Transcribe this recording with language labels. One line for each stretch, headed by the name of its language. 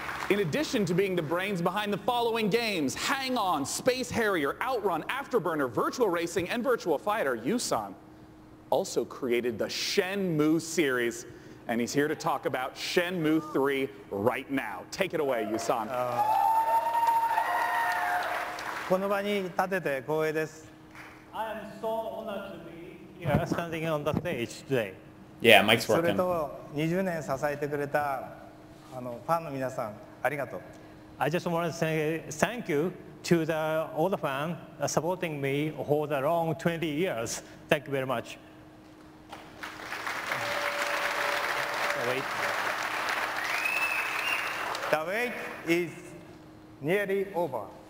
English: In addition to being the brains behind the following games, Hang On, Space Harrier, Outrun, Afterburner, Virtual Racing, and Virtual Fighter, Yu-san also created the Shenmue series. And he's here to talk about Shenmue 3 right now. Take it away, Yu-san.
Japanese: この場に立てて光栄です。
English: I am so honored to be here standing on the stage today. Yeah, Mike's working.
Japanese: それと20年支えてくれたあのファンの皆さん、ありがとう。
English: I just want to say thank you to the, all the fans supporting me for the long 20 years. Thank you very much. The wait is nearly over.